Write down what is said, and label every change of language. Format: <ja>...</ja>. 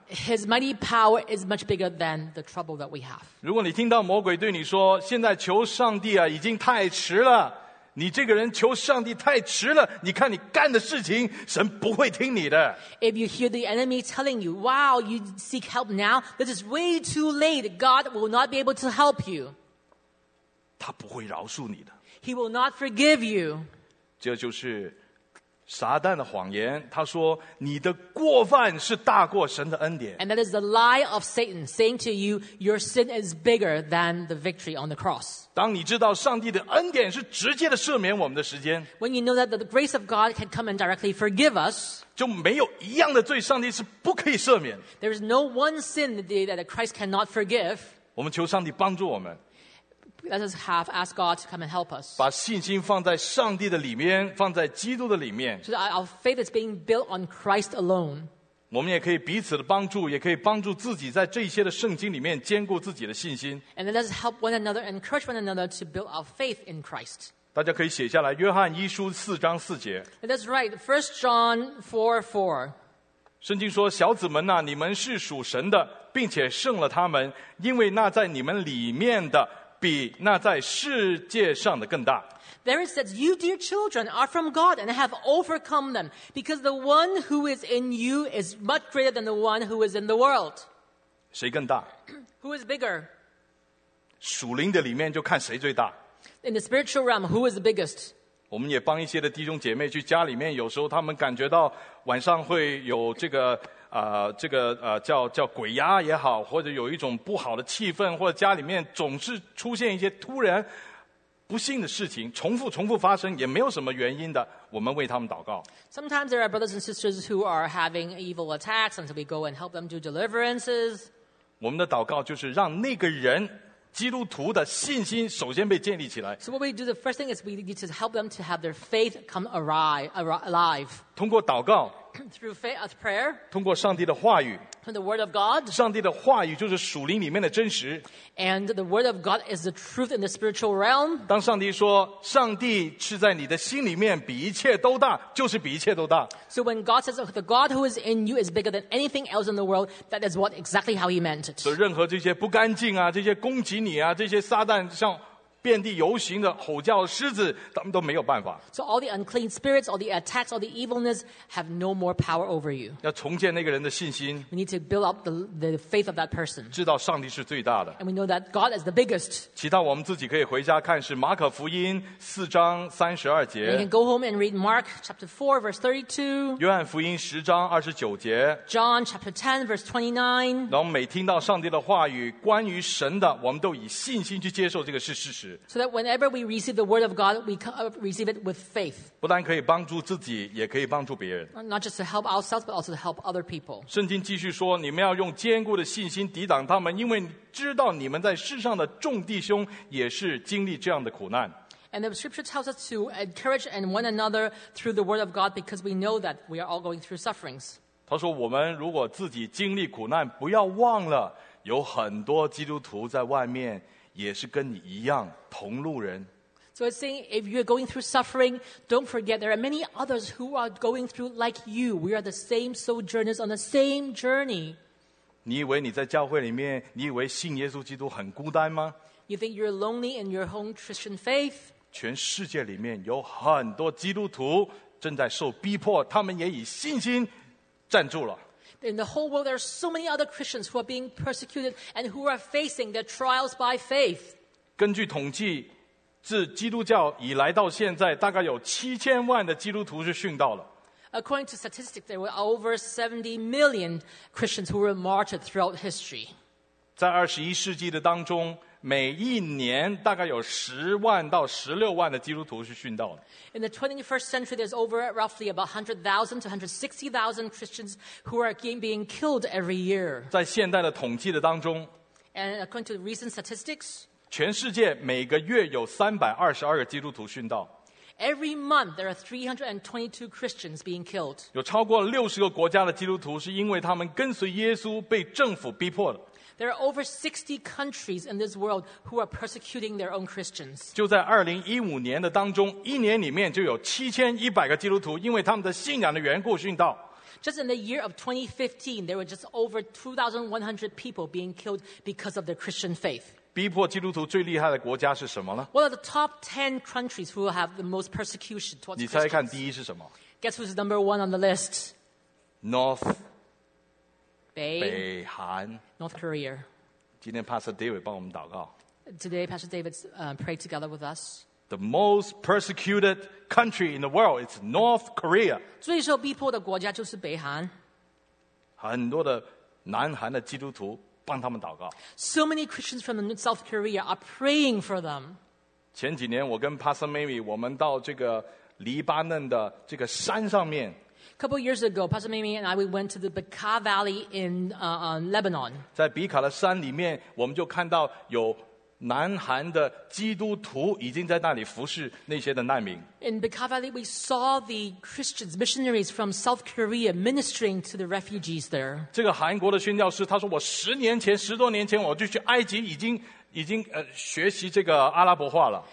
<en>His mighty power is much bigger than the trouble that we have.</en> <zh>如果你听到魔鬼对你说，现在求上帝啊，已经太迟了。你这个人求上帝太迟了，你看你干的事情，神不会听你的。</zh> <en>If you hear the enemy telling you, wow, you seek help now, this is way too late, God will not be able to help you.</en> <zh>他不会饶恕你的。</zh> <en>He will not forgive you.</en> <zh>这就是撒旦的谎言，他说你的过犯是大过神的恩典。</zh> <en>And that is the lie of Satan, saying to you, your sin is bigger than the victory on the cross.</en> <zh>当你知道上帝的恩典是直接的赦免我们的时间。</zh> <en>When you know that the grace of God can come and directly forgive us,</en> <zh>就没有一样的罪上帝是不可以赦免。</zh> <en>There is no one sin that Christ cannot forgive.</en> <zh>我们求上帝帮助我们。</zh> <en>Let us have ask God to come and help us.</en> <zh>把信心放在上帝的里面，放在基督的里面。</zh> <en>So our faith is being built on Christ alone.</en> <zh>我们也可以彼此的帮助，也可以帮助自己，在这些的圣经里面坚固自己的信心。</zh> <en>And let us help one another and encourage one another to build our faith in Christ.</en> <zh>大家可以写下来，约翰一书四章四节。</zh> <en>Let us write First John 4:4.</en> <zh>圣经说，小子们呐、啊，你们是属神的，并且胜了他们，因为那在你们里面的。比那在世界上的更大。</zh> <en>There it says, you dear children are from God and have overcome them, because the one who is in you is much greater than the one who is in the world.</en> <zh>谁更大？</zh> <en>Who is bigger?</en> <zh>属灵的里面就看谁最大。</zh> <en>In the spiritual realm, who is the biggest?</en> <zh>我们也帮一些的弟兄姐妹去家里面，有时候他们感觉到晚上会有这个叫鬼压也好，或者有一种不好的气氛，或者家里面总是出现一些突然不幸的事情，重复发生，也没有什么原因的。我们为他们祷告。</zh> <en>Sometimes there are brothers and sisters who are having evil attacks, and so we go and help them do deliverances.</en> <zh>我们的祷告就是让那个人基督徒的信心首先被建立起来。</zh> <en>So what we do, the first thing is we need to help them to have their faith come alive.</en> <zh>通过祷告</zh> <en>through faith of prayer,</en> <zh>通过上帝的话语</zh> <en>through the word of God,</en> <zh>上帝的话语就是属灵里面的真实</zh> <en>and the word of God is the truth in the spiritual realm,</en> <zh>当上帝说上帝是在你的心里面比一切都大就是比一切都大</zh> <en>so when God says the God who is in you is bigger than anything else in the world, that is what exactly how he meant it.</en> <zh>所以任何这些不干净啊这些攻击你啊这些撒旦像遍地游行的吼叫狮子，他们都没有办法。</zh> <en>So all the unclean spirits, all the attacks, all the evilness have no more power over you.</en> <zh>要重建那个人的信心。</zh> <en>We need to build up the faith of that person.</en> <zh>知道上帝是最大的。</zh> <en>And we know that God is the biggest.</en> <zh>其他我们自己可以回家看，是马可福音四章三十二节。</zh> <en>You can go home and read Mark chapter 4 verse 32.</en> <zh>约翰福音十章二十九节。</zh> <en>John chapter 10 verse 29.</en> <zh>然后每听到上帝的话语，关于神的，我们都以信心去接受这个是事实。</zh> <en>So that whenever we receive the word of God, we receive it with faith.</en> <zh>不但可以帮助自己，也可以帮助别人。</zh> <en>Not just to help ourselves, but also to help other people.</en> <zh>圣经继续说，你们要用坚固的信心抵挡他们，因为知道你们在世上的众弟兄也是经历这样的苦难。</zh> <en>And the scripture tells us to encourage and one another through the word of God because we know that we are all going through sufferings.</en> <zh>他说，我们如果自己经历苦难，不要忘了，有很多基督徒在外面也是跟你一样同路人。</zh> <en>So it's saying, if you're going through suffering, don't forget there are many others who are going through like you. We are the same sojourners on the same journey.</en> <zh>你以为你在教会里面，你以为信耶稣基督很孤单吗？</zh> <en>You think you're lonely in your home Christian faith?</en> <zh>全世界里面有很多基督徒正在受逼迫，他们也以信心站住了。</zh> <en>In the whole world, there are so many other Christians who are being persecuted and who are facing their trials by faith.</en> <zh>根据统计，自基督教以来到现在，大概有7000万的基督徒是殉道了。</zh> <en>According to statistics, there were over 70 million Christians who were martyred throughout history.</en> <zh>在21世纪的当中，每一年大概有10万到16万的基督徒是殉道的。</zh> <en>In the 21st century, there's over roughly about 100,000 to 160,000 Christians who are being killed every year.</en> <zh>在现代的统计的当中</zh> <en>，And according to recent statistics,</en> <zh>全世界每个月有322个基督徒殉道。</zh> <en>Every month, there are 322 Christians being killed.</en> <zh>有超过60个国家的基督徒是因为他们跟随耶稣被政府逼迫的。</zh> <en>There are over 60 countries in this world who are persecuting their own Christians.</en> <zh>就在2015年的当中，一年里面就有7100个基督徒因为他们的信仰的缘故殉道。</zh> <en>Just in the year of 2015, there were just over 2,100 people being killed because of their Christian faith.</en> <zh>逼迫基督徒最厉害的国家是什么呢？</zh> <en>What are the top 10 countries who have the most persecution towards Christians?</en> <zh>你猜看第一是什么？</zh> <en>Guess who's number one on the list? North.</en> <zh>北韩。</zh> <en>North Korea.</en> <zh>今天 Pastor David 帮我们祷告。</zh> <en>Today, Pastor David prayed together with us. The most persecuted country in the world is North Korea.</en> <zh>最受逼迫的国家就是北韩。很多的南韩的基督徒帮他们祷告。</zh> <en>So many Christians from South Korea are praying for them.</en> <zh>前几年我跟 Pastor Mary 我们到这个黎巴嫩的这个山上面。</zh> <en>A couple years ago, Pastor Mimi and I, we went to the Bica Valley in Lebanon.</en> <zh>在比卡的山里面，我们就看到有南韩的基督徒已经在那里服侍那些的难民。</zh> <en>In Bica Valley, we saw the Christians, missionaries from South Korea ministering to the refugees there.</en> <zh>这个韩国的宣教师，他说我10多年前我就去埃及已经学习这个阿拉伯话了。</zh>